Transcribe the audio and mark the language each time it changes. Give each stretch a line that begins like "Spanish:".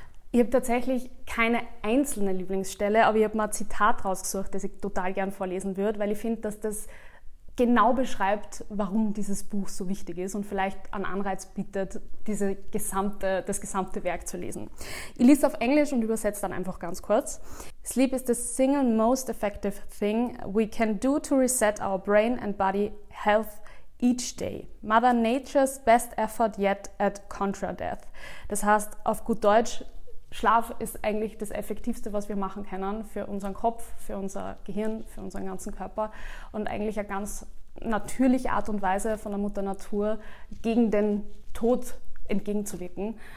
German: Ich habe tatsächlich keine einzelne Lieblingsstelle, aber ich habe mal ein Zitat rausgesucht, das ich total gern vorlesen würde, weil ich finde, dass das genau beschreibt, warum dieses Buch so wichtig ist und vielleicht einen Anreiz bietet, das gesamte Werk zu lesen. Ich lese auf Englisch und übersetze dann einfach ganz kurz.
English: Sleep is the single most effective thing we can do to reset our brain and body health each day. Mother Nature's best effort yet at contra-death.
German: Das heißt, auf gut Deutsch, Schlaf ist eigentlich das Effektivste, was wir machen können für unseren Kopf, für unser Gehirn, für unseren ganzen Körper und eigentlich eine ganz natürliche Art und Weise von der Mutter Natur gegen den Tod entgegenzuwirken.